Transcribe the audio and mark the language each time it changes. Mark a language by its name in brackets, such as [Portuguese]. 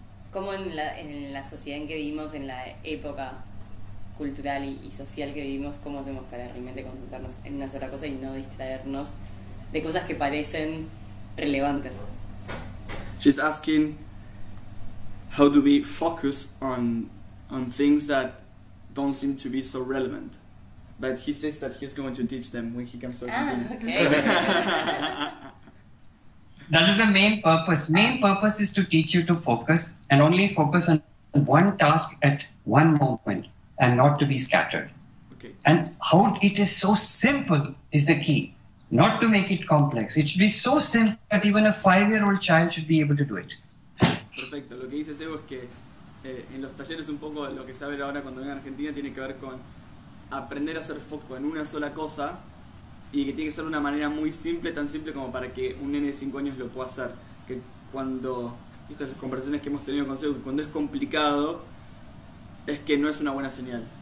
[Spanish] ¿Cómo en la sociedad en que vivimos, en la época cultural y social que vivimos, cómo hacemos para realmente concentrarnos en una sola cosa y no distraernos de cosas que parecen relevantes? [English] She's asking how do we focus on things that don't seem to be so relevant. But he says that he's going to teach them when he comes to Argentina. That is the main purpose. Main purpose is to teach you to focus and only focus on one task at one moment and not to be scattered. Okay. And how it is so simple is the key. Not to make it complex. It should be so simple that even a 5-year-old child should be able to do it. [Spanish] Perfecto. Lo que dice Sebo es que en los talleres un poco lo que se habla ahora cuando venga a Argentina tiene que ver con aprender a hacer foco en una sola cosa. Y que tiene que ser de una manera muy simple, tan simple como para que un nene de 5 años lo pueda hacer. Que cuando, viste las conversaciones que hemos tenido con Seu, cuando es complicado, es que no es una buena señal.